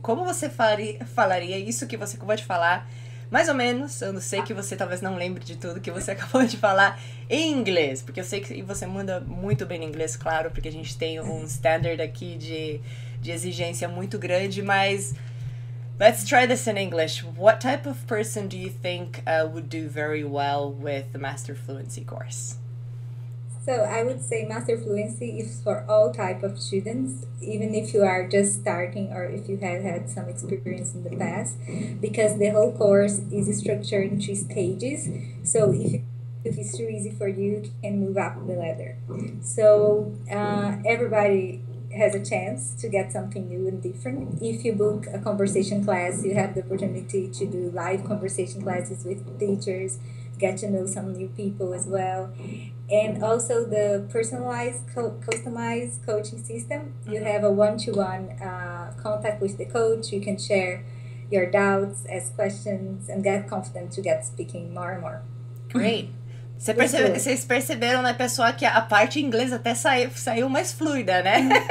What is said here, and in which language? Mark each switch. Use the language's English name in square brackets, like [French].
[Portuguese] Como você falaria isso que você acabou de falar? Mais ou menos, eu não sei que você talvez não lembre de tudo que você acabou de falar em inglês, porque eu sei que você manda muito bem em inglês, claro, porque a gente tem um standard aqui de exigência muito grande, mas [English] let's try this in English. What type of person do you think would do very well with the Master Fluency course? So I would say Master Fluency is for all type of students, even if you are just starting or if you have had some experience in the past, because the whole course is structured in 3 stages. So if it's too easy for you, you can move up the ladder. So everybody has a chance to get something new and different. If you book a conversation class, you have the opportunity to do live conversation classes with teachers, get to know some new people as well. And also the personalized, customized coaching system. You have a one-to-one contact with the coach. You can share your doubts, ask questions, and get confident to get speaking more and more. Great. Let's do it. [Portuguese] Vocês perceberam, né, pessoal, que a parte inglesa até saiu mais fluida, né?